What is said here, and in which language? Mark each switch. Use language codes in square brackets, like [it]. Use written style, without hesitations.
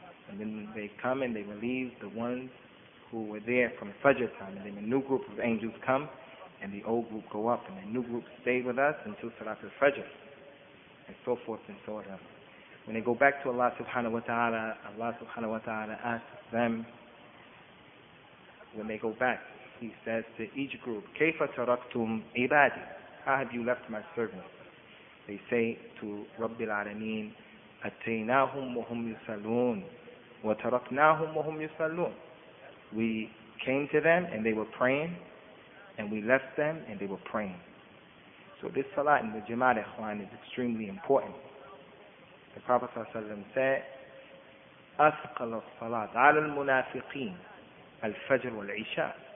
[en] And then they come and they relieve the ones who were there from Fajr time, and then a new group of angels come, and the old group go up, and the new group stay with us until Salat al-Fajr, and so forth and so on. When they go back to Allah subhanahu wa ta'ala, Allah subhanahu wa ta'ala asks them, when they go back, He says to each group, [ar] كَيْفَ تَرَكْتُمْ عِبَادِي? [en] How have you left my servant? They say to [ar] رَبِّ الْعَالَمِينَ, أَتَيْنَاهُمْ وَهُمْ يُسَلُونَ وَتَرَكْنَاهُمْ وَهُمْ يُسَلُونَ. [en] We came to them and they were praying, and we left them and they were praying. So this salah in the Jama'at, ikhwan, is extremely important. The Prophet ﷺ said, [ar] أَثْقَلَ الصَّلَاةِ عَلَى الْمُنَافِقِينَ الْفَجْرُ وَالْعِشَاءِ.